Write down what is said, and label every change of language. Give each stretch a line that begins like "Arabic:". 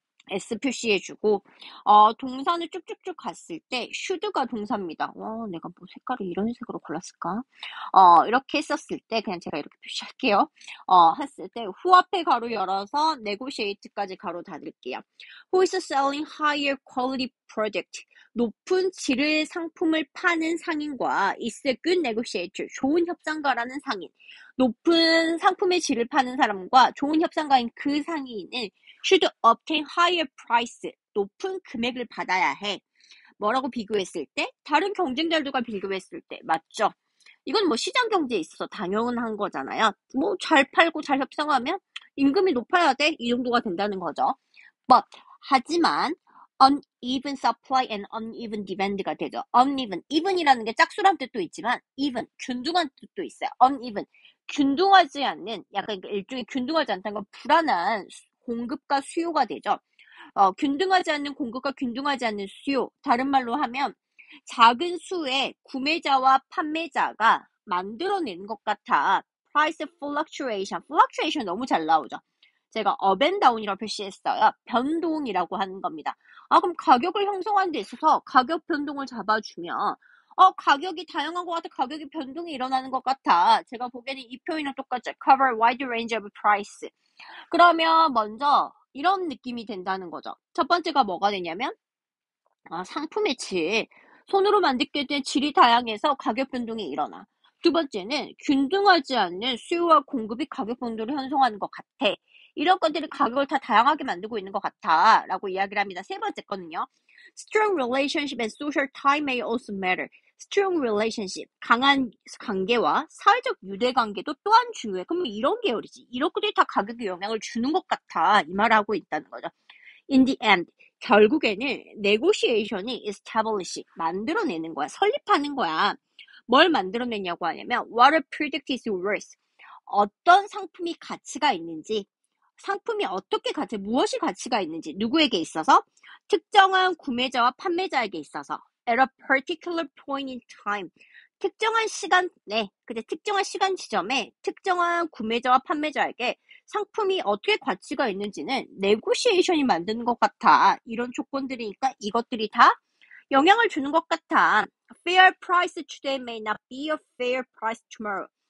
Korean: S 표시해주고 동사는 쭉쭉쭉 갔을 때 should가 동사입니다. 내가 뭐 색깔을 이런 색으로 골랐을까? 이렇게 했었을 때 그냥 제가 이렇게 표시할게요. 했을 때 who 앞에 가로 열어서 negotiate까지 가로 닫을게요.
English: Who is selling higher quality product?
Korean: 높은 질의 상품을 파는 상인과
English: is a good negotiator,
Korean: 좋은 협상가라는 상인. 높은 상품의 질을 파는 사람과 좋은 협상가인 그 상인은
English: should obtain higher price,
Korean: 높은 금액을 받아야 해. 뭐라고 비교했을 때? 다른 경쟁자들과 비교했을 때. 맞죠? 이건 뭐 시장 경제에 있어서 당연한 거잖아요. 뭐잘 팔고 잘 협상하면 임금이 높아야 돼. 이 정도가 된다는 거죠. But, 하지만,
English: uneven supply and uneven demand
Korean: 가 되죠. uneven. even이라는 게 짝수란 뜻도 있지만, even. 균등한 뜻도 있어요. uneven. 균등하지 않는, 약간 일종의 균등하지 않다는 건 불안한 공급과 수요가 되죠. 균등하지 않는 공급과 균등하지 않는 수요. 다른 말로 하면, 작은 수의 구매자와 판매자가 만들어내는 것 같아. price fluctuation. fluctuation 너무 잘 나오죠. 제가
English: up and down
Korean: 이라고 표시했어요. 변동이라고 하는 겁니다. 그럼 가격을 형성하는 데 있어서 가격 변동을 잡아주면, 가격이 다양한 것 같아. 가격이 변동이 일어나는 것 같아. 제가 보기에는 이 표현이랑 똑같죠.
English: cover wide range of price.
Korean: 그러면 먼저 이런 느낌이 된다는 거죠. 첫 번째가 뭐가 되냐면, 상품의 질. 손으로 만들게 된 질이 다양해서 가격 변동이 일어나. 두 번째는 균등하지 않는 수요와 공급이 가격 변동을 형성하는 것 같아. 이런 것들이 가격을 다 다양하게 만들고 있는 것 같아. 라고 이야기를 합니다. 세 번째 거는요.
English: Strong relationship and social tie may also matter. Strong relationship.
Korean: 강한 관계와 사회적 유대관계도 또한 중요해. 그럼 이런 계열이지. 이런 것들이 다 가격에 영향을 주는 것 같아. 이 말하고 있다는 거죠.
English: In the end.
Korean: 결국에는 negotiation이 establish. 만들어내는 거야. 설립하는 거야. 뭘 만들어내냐고 하냐면,
English: what a product is worth.
Korean: 어떤 상품이 가치가 있는지, 상품이 어떻게 가치, 무엇이 가치가 있는지, 누구에게 있어서, 특정한 구매자와 판매자에게 있어서,
English: at a particular point in time.
Korean: 특정한 시간, 네. 근데 특정한 시간 지점에 특정한 구매자와 판매자에게 상품이 어떻게 가치가 있는지는 네고시에이션이 만드는 것 같아. 이런 조건들이니까 이것들이 다 영향을 주는 것 같아.
English: Fair price today may not be a fair price tomorrow.